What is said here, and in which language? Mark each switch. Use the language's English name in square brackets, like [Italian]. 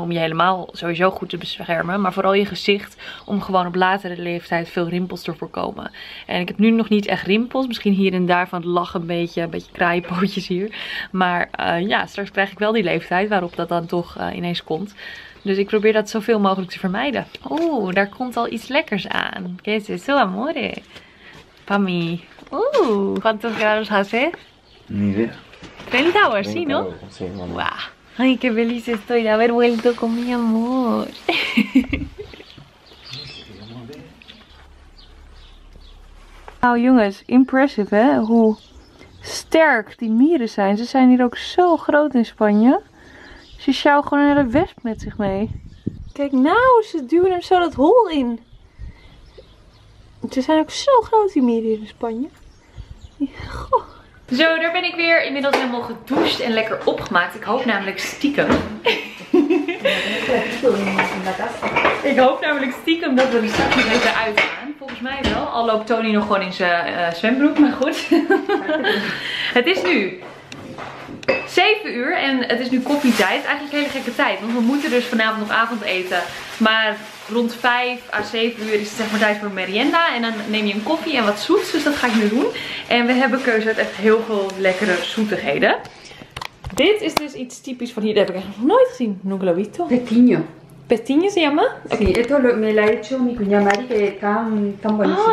[Dutch] Om je helemaal sowieso goed te beschermen. Maar vooral je gezicht om gewoon op latere leeftijd veel rimpels te voorkomen. En ik heb nu nog niet echt rimpels. Misschien hier en daar van het lachen een beetje kraaienpootjes hier. Maar ja, straks krijg ik wel die leeftijd waarop dat dan toch ineens komt. Dus ik probeer dat zoveel mogelijk te vermijden. Oeh, daar komt al iets lekkers aan. [Spanish] Que es eso, amore? Pami. Oeh, ¿cuántos grados hace? Ni idea. 30 horas, 30 sí, ¿no? Sí, mamá. Wow. Ay, qué feliz estoy de haber vuelto con mi amor. Mamá, [Dutch] Nou jongens, impressive hè, hoe sterk die mieren zijn. Ze zijn hier ook zo groot in Spanje. Ze sjouwen gewoon een hele wesp met zich mee. Kijk nou, ze duwen hem zo dat hol in. Ze zijn ook zo groot die mieren hier in Spanje. Goh. Zo, daar ben ik weer. Inmiddels helemaal gedoucht en lekker opgemaakt. Ik hoop namelijk stiekem. Ik hoop namelijk stiekem dat we er straks nog even uitgaan. Volgens mij wel. Al loopt Tony nog gewoon in zijn zwembroek, maar goed. Het is nu 7 uur en het is nu koffietijd. Eigenlijk een hele gekke tijd, want we moeten dus vanavond nog avond eten. Maar rond 5 à 7 uur is het zeg maar tijd voor merienda. En dan neem je een koffie en wat zoets, dus dat ga ik nu doen. En we hebben keuze uit echt heel veel lekkere zoetigheden. Dit is dus iets typisch van hier. Dat heb ik eigenlijk nog nooit gezien. Nuglovito. Petinho. [Spanish] Petinho se llama? Sí, esto me la ha hecho mi cuñada Mari, que tan buenísimo.